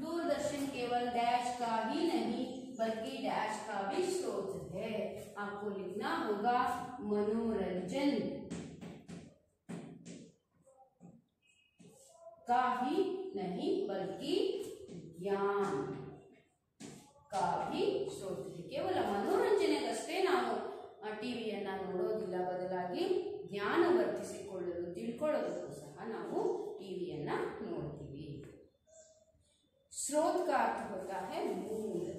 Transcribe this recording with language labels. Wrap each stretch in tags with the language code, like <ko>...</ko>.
<hi>दूरदर्शन केवल डैश का ही नहीं बल्कि डैश का भी स्रोत है, आपको लिखना होगा मनोरंजन का ही नहीं बल्कि ज्ञान का भी स्रोत है।</hi> <kn>केवल मनोरंजन अस्टेन नाम ಟಿವಿಯನ್ನ ನೋಡೋದಿಲ್ಲ, ಬದಲಾಗಿ ಜ್ಞಾನ ವರ್ಧಿಸಿಕೊಳ್ಳಲು ತಿಳ್ಕೊಳ್ಳೋದಕ್ಕೂ ಸಹ ನಾವು ಟಿವಿಯನ್ನ ನೋಡ್ತೀವಿ. ಸ</kn> <hi>स्रोत का अर्थ होता है मूल।</hi>